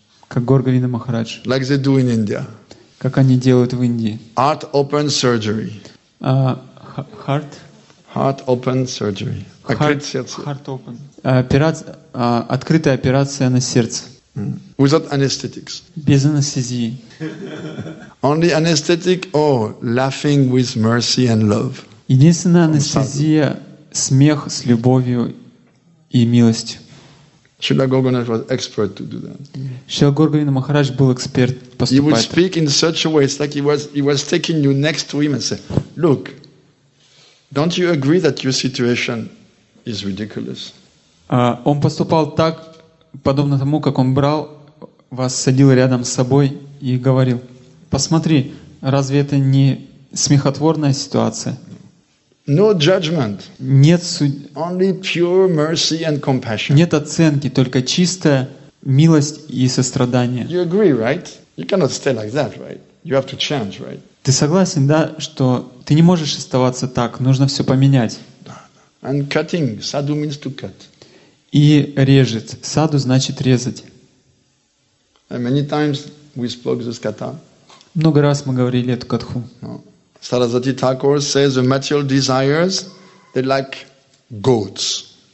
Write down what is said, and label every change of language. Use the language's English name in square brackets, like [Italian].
[Russian] Как Гор Говинда Махарадж. [English] Like they do in India. [Russian] Как они делают в Индии. [English] Heart open surgery. Heart? Heart open surgery. Heart, heart open. [Russian] Открытая операция на сердце. [English] Without anesthetics. [Russian] Без анестезии. [English] Only anesthetic or laughing with mercy and love. [Russian] Единственная анестезия – смех с любовью и милостью. [English] Srila Gorgonath was expert to do that. [Russian] Srila Gorgonath Maharaj был эксперт поступать. [English] He would speak in such a way, it's like he was taking you next to him and say, "Look, don't you agree that your situation is ridiculous?" [Russian] Он поступал так, подобно тому, как он брал вас, садил рядом с собой и говорил: "Посмотри, разве это не смехотворная ситуация?" [English] No judgment. [Russian] Нет суд... [English] Only pure mercy and compassion. [Russian] Нет оценки, только чистая милость и сострадание. [English] You agree, right? You cannot stay like that, right? You have to change, right? [Russian] Ты согласен, да, что ты не можешь оставаться так, нужно все поменять. [English] And cutting, sadhu means to cut. [Russian] И режет. Sadhu значит резать. [English] And many times we spoke this katha. [Russian] Много раз мы говорили эту катху. [English] Sarasvati Thakur says the material desires, they're like goats.